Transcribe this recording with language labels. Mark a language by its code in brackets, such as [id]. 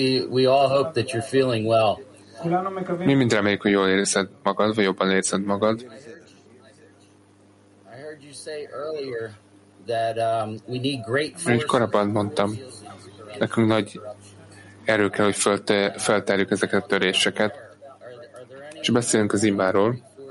[en] We all hope that you're feeling well. [hu] Mi mind reméljük, hogy jól érzed magad, vagy jobban érzed magad. [en] I heard you say earlier that we need great forces. [hu] Úgy korábban mondtam, nekünk nagy erő kell, hogy felterjük ezeket a töréseket. És beszélünk az imáról.